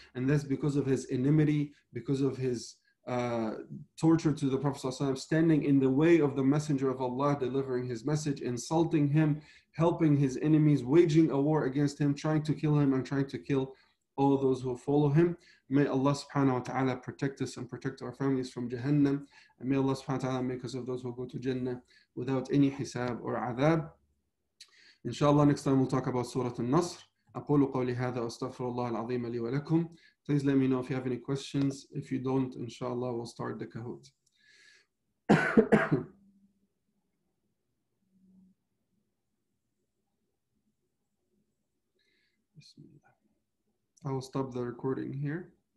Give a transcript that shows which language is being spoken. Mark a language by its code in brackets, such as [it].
[en] And that's because of his enmity, because of his torture to the Prophet Sallallahu Alaihi Wasallam, standing in the way of the Messenger of Allah, delivering his message, insulting him, helping his enemies, waging a war against him, trying to kill him and trying to kill all those who follow him. May Allah subhanahu wa ta'ala protect us and protect our families from Jahannam. And may Allah subhanahu wa ta'ala make us of those who go to Jannah without any hisab or adab. Inshallah, next time we'll talk about Surah Al-Nasr. [ar] أقول قولي هذا وأستغفر الله العظيم لي ولكم. [en] Please let me know if you have any questions. If you don't, inshallah, we'll start the Kahoot. I will stop the recording here.